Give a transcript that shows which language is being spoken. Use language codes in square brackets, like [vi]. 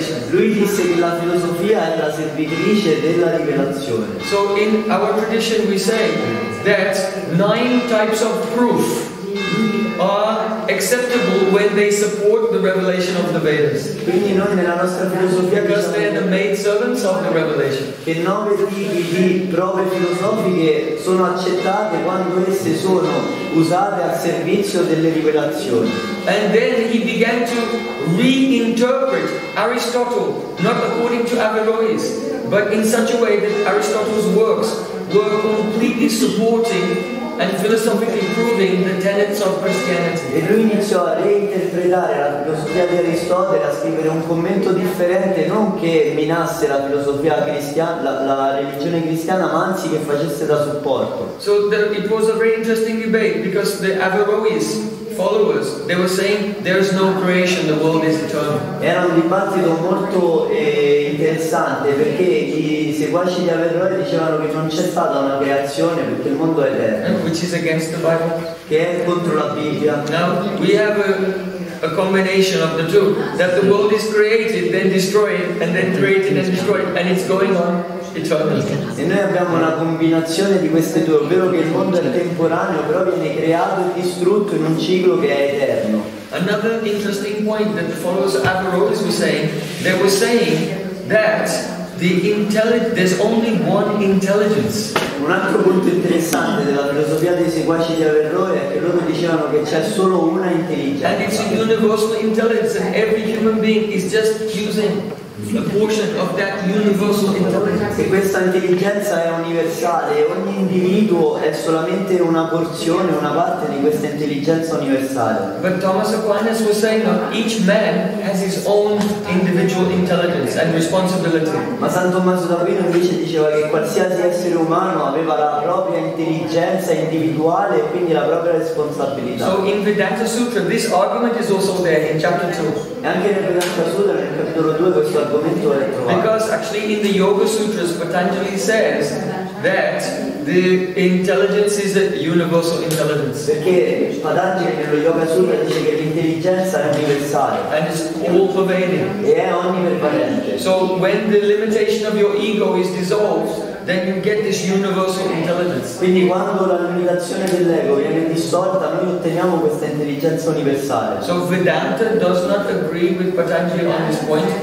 [it] Lui disse che la filosofia è la servitrice della rivelazione. [en] So in our tradition we say that 9 types of proof are acceptable when they support the revelation of the Vedas. [it] Quindi noi nella nostra filosofia [en] because they are the maid servants of the revelation. [it] Che 9 tipi di prove filosofiche sono accettate quando esse sono usate al servizio delle rivelazioni. [en] And then he began to reinterpret Aristotle, not according to Averroes, but in such a way that Aristotle's works were completely supporting and philosophically proving the tenets of Christianity. [it] E lui iniziò a reinterpretare la filosofia di Aristotele, a scrivere un commento differente, non che minasse la filosofia cristiana, la religione cristiana, ma anzi che facesse da supporto. [en] So it was a very interesting debate because the Averroes followers, they were saying there is no creation, the world is eternal. [it] Era un dibattito molto interessante perché i seguaci di Averroes dicevano che non c'è stata una creazione perché il mondo è eterno. [en] And which is against the Bible. [it] Che è contro la Bibbia. [en] Now we have a combination of the two, that the world is created, then destroyed, and then created and destroyed, and it's going on. [it] E noi abbiamo una combinazione di queste due, ovvero che il mondo è temporaneo, però viene creato e distrutto in un ciclo che è eterno. [en] Another interesting point that the followers of Averroes were saying, they were saying that There's only one intelligence. [it] Un altro punto interessante della filosofia dei seguaci di Averroè è che loro dicevano che c'è solo una intelligenza. [en] And it's a universal intelligence. Every human being is just using a portion of that universal intelligence. [it] E questa intelligenza è universale. Ogni individuo è solamente una porzione, una parte di questa intelligenza universale. [en] But Thomas Aquinas was saying that each man has his own individual intelligence and responsibility. [it] Ma San Tommaso d'Aquino invece diceva che qualsiasi essere umano aveva la propria intelligenza individuale e quindi la propria responsabilità. [en] So in Vedanta Sutra, this argument is also there in chapter 2. [it] E anche nel Vedanta Sutra, nel capitolo 2, questo argomento è trovato. [en] Because actually in the Yoga Sutras, Patanjali says that the intelligence is a universal intelligence. [it] Perché Patanjali nello Yoga Sutra dice che l'intelligenza è universale. [en] And it's all pervading. [it] E è onnipervadente. [en] So when the limitation of your ego is dissolved, then you get this universal intelligence. [it] Quindi quando la limitazione dell'ego viene dissolta, noi otteniamo questa intelligenza universale. [en] So Vedanta does not agree with Patanjali on this point.